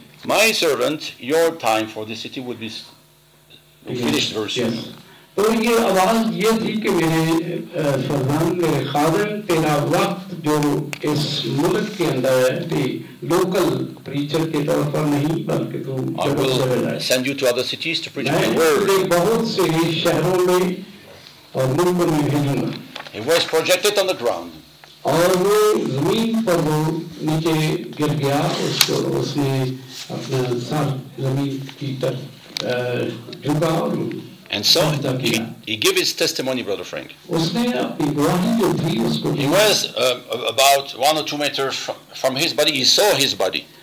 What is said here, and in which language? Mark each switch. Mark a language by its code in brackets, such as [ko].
[en] My servant, your time for the city would be finished. Verse. Yes. [ur] تو یہ آواز یہ تھی کہ میرے فرزان میرے خادم تیرا وقت جو اس ملک کے اندر ہے بھی لوکل پریچر کے طور پر نہیں بلکہ بہت سے شہروں میں اور ملکوں میں بھیجوں گا [en] It was projected on the ground. [ur] اور وہ زمین پر وہ نیچے گر گیا اس کو اس نے اپنا سر زمین کی طرف جھکا اور [en] And so he gave his testimony, Brother Frank. He was about 1 or 2 meters from his body. He saw his body.